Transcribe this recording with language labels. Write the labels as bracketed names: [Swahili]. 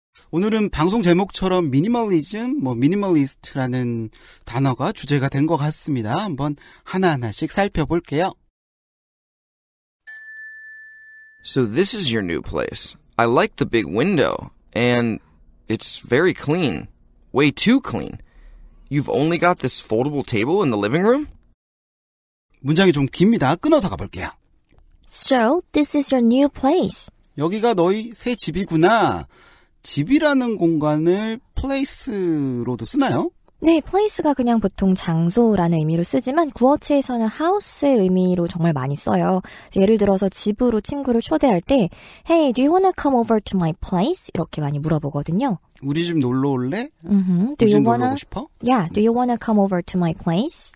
[Korean] 오늘은 방송 제목처럼 미니멀리즘, 뭐 미니멀리스트라는 단어가 주제가 된 것 같습니다. 한번 하나하나씩 살펴볼게요. [English] So this is your new place. I like the big window, and it's very clean. Way too clean. You've only got this foldable table in the living room? [Korean] 문장이 좀 깁니다. 끊어서 가볼게요. [English] So this is your new place. [Korean] 여기가 너희 새 집이구나. 집이라는 공간을 place로도 쓰나요? 네, place가 그냥 보통 장소라는 의미로 쓰지만 구어체에서는 house의 의미로 정말 많이 써요. 예를 들어서 집으로 친구를 초대할 때 [English] Hey, do you wanna come over to my place? [Korean] 이렇게 많이 물어보거든요. 우리 집 놀러 올래? Mm-hmm. [English] Do you wanna? [Korean] 놀러 오고 싶어? [English] Yeah, do you wanna come over to my place?